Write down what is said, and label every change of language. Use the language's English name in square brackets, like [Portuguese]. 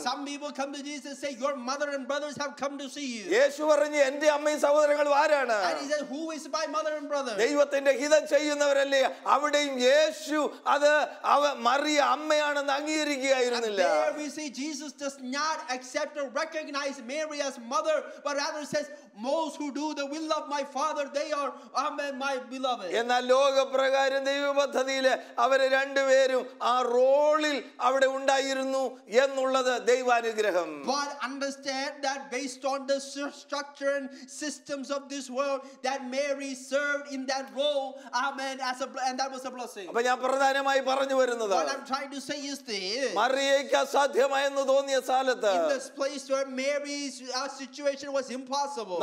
[English] Some people come to Jesus and say, your mother and brothers have come to see you. And he said, who is my mother and brother? [Malayalam] ദൈവത്തിന്റെ ഹിതം ചെയ്യുന്നവരല്ലേ അവിടെയും യേശു അത് Mariya അമ്മയാണെന്ന് അംഗീകരിക്കുകയായിരുന്നില്ല [English] Jesus does not accept or recognize Mary as mother, but rather says, those who do the will of my father, they are Amen, my beloved. [Malayalam] എന്ന ലോകപ്രകാരം ദൈവപദ്ധതിയിലെ അവരെ രണ്ടുപേരും ആ റോളിൽ അവിടെ ഉണ്ടായിരുന്നു എന്നുള്ളത് ദൈവാനുഗ്രഹം. [English] But understand that based on the structure and systems of this world, that Mary served in that role, Amen, as a, and that was a blessing. [Malayalam] അപ്പോൾ ഞാൻ പ്രധാനമായി പറഞ്ഞു വരുന്നത് [English] What I'm trying to say is this. [Malayalam] മറിയയ്ക്ക് അസാധ്യമായെന്ന് തോന്നിയ സ്ഥലത്ത് [English] In this place where Mary's situation was impossible,